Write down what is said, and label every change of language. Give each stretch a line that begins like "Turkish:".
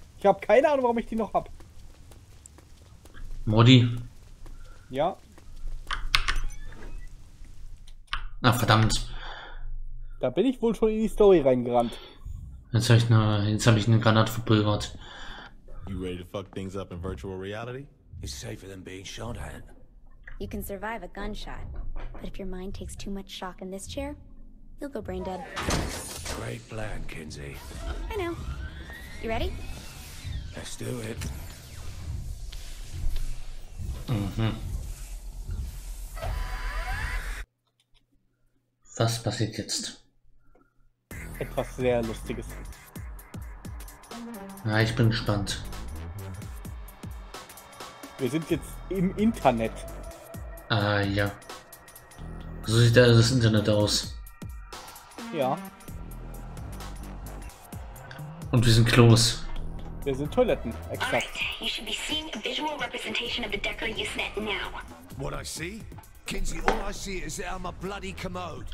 German: Ich habe keine Ahnung, warum ich die noch hab. Modi? Ja. Na verdammt. Da bin ich wohl schon in die Story reingerannt. Jetzt hab ich eine Granate verpulvert.
English: You ready to fuck things up in virtual reality? It's safer than being shot at. You can survive a gunshot, but if your mind takes too much shock in this chair, you'll go brain dead. Great plan, Kinsey. I know. You ready? Let's do it. Mhm.
German: Was passiert jetzt? Etwas sehr Lustiges. Na, ich bin gespannt. Wir sind jetzt im Internet. Ja. So sieht also das Internet aus. Ja. Und wir sind Klos. Wir sind Toiletten, exakt.
English: Alright, you should be seeing a visual representation of the Decker Usenet now. What I see? Kinsey, all I see is that I'm a bloody commode.